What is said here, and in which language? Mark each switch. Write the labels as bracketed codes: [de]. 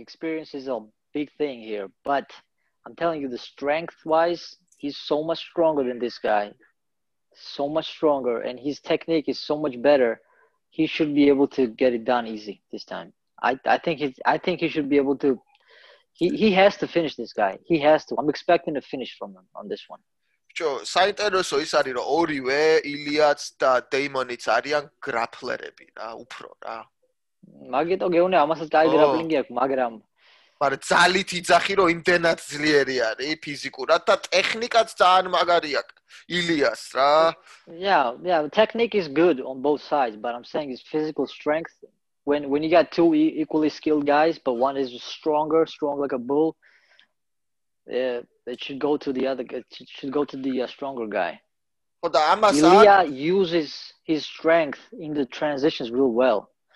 [en] Experience is a big thing here, but I'm telling you, the strength-wise, he's so much stronger than this guy. So much stronger, and his technique is so much better. He should be able to get it done easy this time. I think he should be able to. He has to finish this guy. He has to. I'm expecting a finish from him on this one. Sure. [ka] საინტერესო ის არის რომ ორივე ილიაც და დეიმონიც არიან გრაპლერები რა უფრო რა. მაგეთო გეუნე ამასაც კაი გრაპლინგი აქვს მაგრამ მაგრამ ძალით იძახი რომ იმდენად ძლიერი არის ფიზიკურად და ტექნიკაც ძალიან მაგარი აქვს ილიას რა. [en] Yeah, yeah, the technique is good on both sides, but I'm saying his physical strength when you got two equally skilled guys but one is stronger, strong like a bull. It should go to the other guy. It should go to the stronger guy. Ilia uses his strength in the transitions real well.